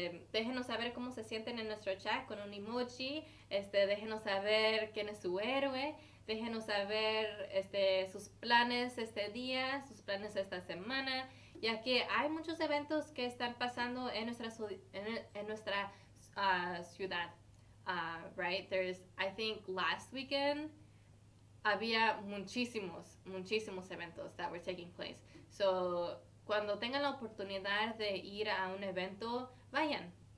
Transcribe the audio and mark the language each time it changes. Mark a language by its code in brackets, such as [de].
[es] Déjenos saber cómo se sienten en nuestro chat con un emoji. Déjenos saber quién es su héroe. Déjenos saber sus planes este día, sus planes esta semana. Ya que hay muchos eventos que están pasando en nuestra ciudad, right? [en] I think last weekend [es] había muchísimos eventos [en] that were taking place. [es] So, cuando tengan la oportunidad de ir a un evento, vayan.